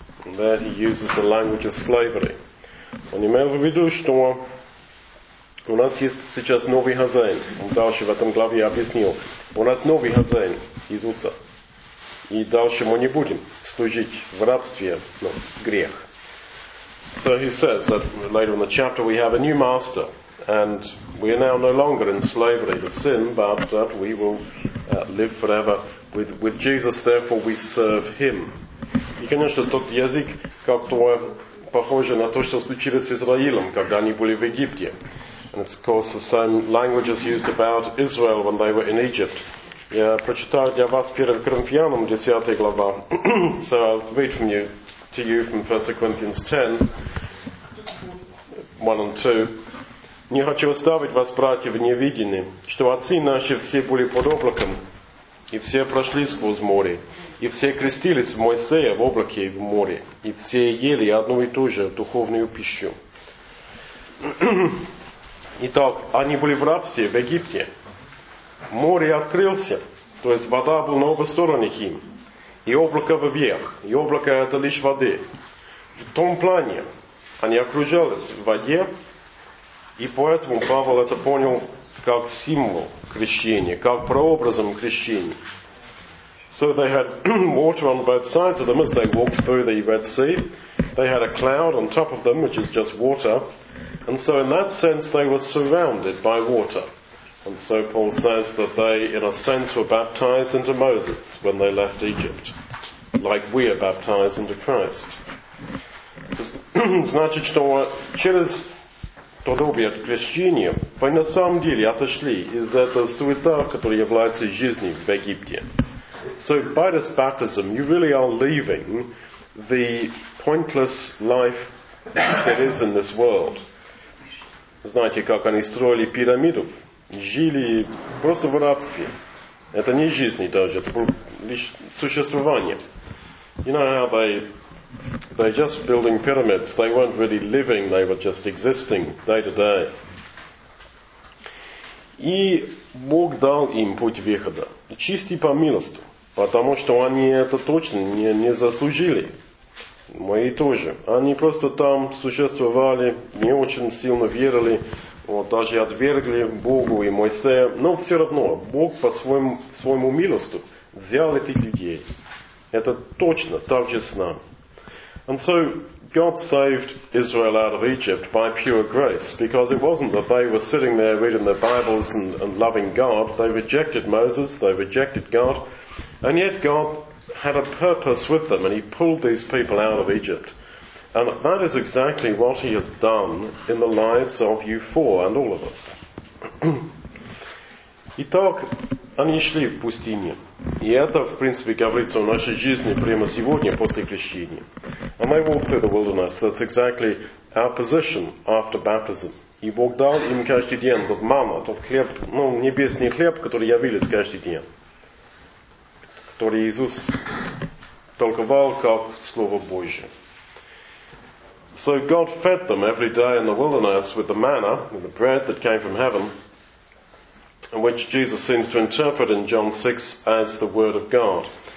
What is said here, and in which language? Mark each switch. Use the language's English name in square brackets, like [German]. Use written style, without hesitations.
[English] There he uses the language of slavery. [Russian] Он имел в виду, что у нас есть сейчас новый хозяин. Он дальше в этом главе объяснил. У нас новый хозяин Иисуса. И дальше мы не будем служить в рабстве, грех. [English] So he says that later in the chapter we have a new master and we are now no longer in slavery to sin, but that we will live forever with Jesus, therefore we serve him. [Russian] И, конечно, тот язык как-то похоже на то, что случилось с Израилем, когда они были в Египте. [English] And it's of course the same language is used about Israel when they were in Egypt. [Russian] Я прочитаю для вас 1 Коринфянам 10 глава. [English] So I'll read from you to you from 1 Corinthians 10, 1 and 2. [Russian] Не хочу оставить вас, братья, в невидении, что отцы наши все были под облаком, и все прошли сквозь море, и все крестились в Моисея в облаке и в море, и все ели одну и ту же духовную пищу. Итак, они были в рабстве в Египте. Море открылся, то есть вода была на обе стороны им, и облако вверх, и облако это лишь воды. В том плане они окружались в воде, и поэтому Павел это понял как символ крещения, как прообразом крещения. [English] So they had water on both sides of them as they walked through the Red Sea. They had a cloud on top of them, which is just water. And so in that sense they were surrounded by water. And so Paul says that they, in a sense, were baptized into Moses when they left Egypt. like we are baptized into Christ. [Russian] Значит, что через тот обет крещения вы на самом деле отошли из этой суеты, которая является жизнью в Египте. [English] So by this baptism, you really are leaving the pointless life that is in this world. [Russian] Знаете, как они строили пирамиду? Жили просто в рабстве. Это не жизнь даже, это было лишь существование. [English] You know how they're just building pyramids. They weren't really living, they were just existing day to day. [Russian] И Бог дал им путь выхода. Чистый по милости. Потому что они это точно не заслужили. Мои тоже. Они просто там существовали, не очень сильно верили, вот, даже отвергли Богу и Моисея. Но все равно Бог по своему милости взял этих людей. Это точно так же с нами. [English] And so God saved Israel out of Egypt by pure grace, because it wasn't that they were sitting there reading their Bibles and loving God. They rejected Moses, they rejected God. And yet God had a purpose with them, and he pulled these people out of Egypt. And that is exactly what he has done in the lives of you four and all of us. [Russian] Итак, они шли в пустыню. И это, в принципе, говорится о нашей жизни прямо сегодня, после крещения. [English] And they walked through the wilderness. That's exactly our position after baptism. [Russian] И Бог дал им каждый день тот манна, тот хлеб, ну, небесный хлеб, который явились каждый день. Который Иисус толковал как Слово Божие. [English] So God fed them every day in the wilderness with the manna, with the bread that came from heaven, which Jesus seems to interpret in John 6 as the Word of God.